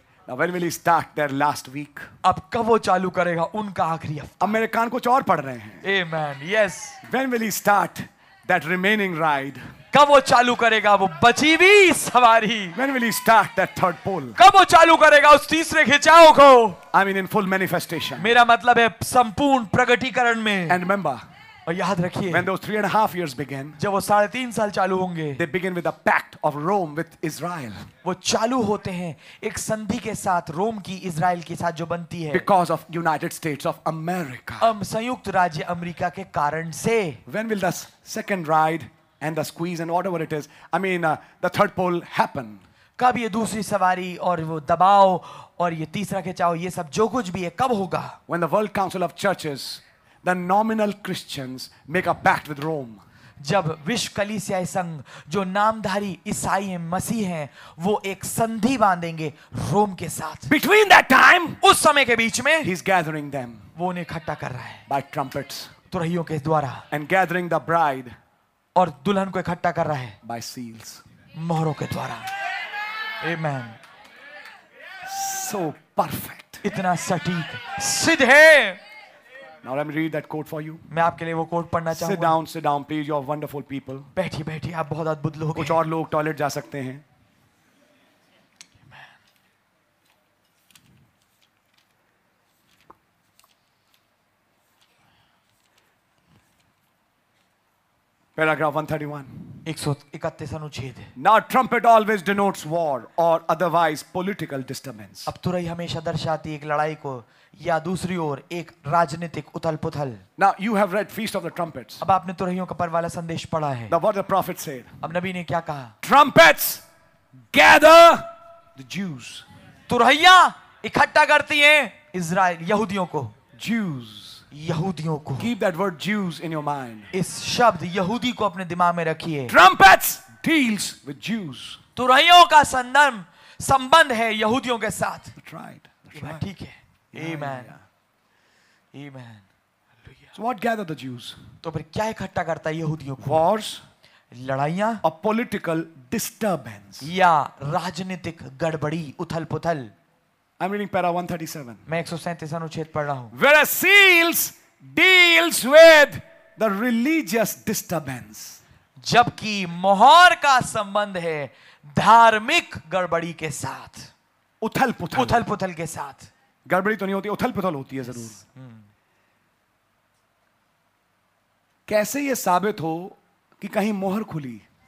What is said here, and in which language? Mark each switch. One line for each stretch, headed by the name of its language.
English: Now when will he start their last week?
Hindi: अब कब वो चालू करेगा उनका आखिरी हफ्ता? अब मेरे कान कुछ और पढ़ रहे हैं.
English: Amen. Yes. When will he start that remaining ride?
Hindi: कब वो चालू करेगा वो बची हुई सवारी?
English: When will he start that third pole?
Hindi: कब वो चालू करेगा उस तीसरे खिंचाव को?
English: I mean in full manifestation.
Hindi: मेरा मतलब है संपूर्ण प्रगटीकरण में.
English: And remember.
Hindi: और याद रखिए
English: when those 3.5 years began
Hindi: जब वो 3.5 साल चालू होंगे
English: they begin with a pact of Rome with Israel
Hindi: वो चालू होते हैं एक संधि के साथ रोम की इजराइल के साथ जो बनती है
English: because of United States of America
Hindi: संयुक्त राज्य अमेरिका के कारण से
English: when will the second ride and the squeeze and whatever it is I mean the third pole happen
Hindi: कब ये दूसरी सवारी और वो दबाव और ये तीसरा खिंचाव ये सब जो कुछ भी है कब होगा
English: when the world council of churches The nominal Christians make a pact with Rome.
Hindi: जब विश्व कलीसिया संघ जो नामधारी ईसाई हैं मसीह हैं वो एक संधि बांधेंगे रोम के साथ.
English: Between that time,
Hindi: उस समय के बीच में,
English: he's gathering them.
Hindi: वो उन्हें इकट्ठा कर रहा है.
English: By trumpets,
Hindi: तुरहियों के द्वारा.
English: And gathering the bride,
Hindi: और दुल्हन को इकट्ठा कर रहा है.
English: By seals,
Hindi: मोहरों के द्वारा. Amen.
English: So perfect.
Hindi: इतना सटीक, सिद्ध है.
English: Now let me read that quote for you.
Hindi: मैं आपके लिए वो कोट पढ़ना चाहूँगा.
English: Sit down, please. You are wonderful people.
Hindi: बैठिए, बैठिए. आप बहुत अद्भुत लोग हैं. कुछ और लोग टॉयलेट जा सकते हैं.
English: Paragraph 131.
Hindi: 131 अनुच्छेद.
English: Now trumpet always denotes war or otherwise political disturbance.
Hindi: अब तुरही हमेशा दर्शाती एक लड़ाई को या दूसरी ओर एक राजनीतिक उथल-पुथल.
English: Now you have read Feast of the Trumpets.
Hindi: अब आपने तुरहियों का पर्व वाला संदेश पढ़ा है.
English: Now what the prophet said.
Hindi: अब नबी ने क्या कहा?
English: Trumpets gather the Jews.
Hindi: तुरहियां इकट्ठा करती हैं इज़राइल यहूदियों को.
English: Jews.
Hindi: यहूदियों को.
English: Keep that word Jews in your mind.
Hindi: इस शब्द यहूदी को अपने दिमाग में रखिए.
English: Trumpets deals with Jews.
Hindi: तुरहियों का संदर्भ संबंध है यहूदियों के साथ.
English: That's right. That's right.
Hindi: ठीक है. Amen. Yeah. Amen.
English: So what gather the Jews?
Hindi: तो फिर क्या इकट्ठा करता है यहूदियों को?
English: Wars.
Hindi: लड़ाइयाँ.
English: A political disturbance.
Hindi: या राजनीतिक गड़बड़ी उथल-पुथल.
English: I'm reading para 137.
Hindi: मैं 137 अनुच्छेद पढ़ रहा हूँ.
English: Where a seals deals with the religious disturbance.
Hindi: जबकि मोहर का संबंध है धार्मिक गड़बड़ी के साथ. उथल-पुथल. उथल-पुथल के साथ. गड़बड़ी तो नहीं होती उथल-पुथल होती है जरूर. कैसे यह साबित हो कि कहीं मोहर खुली?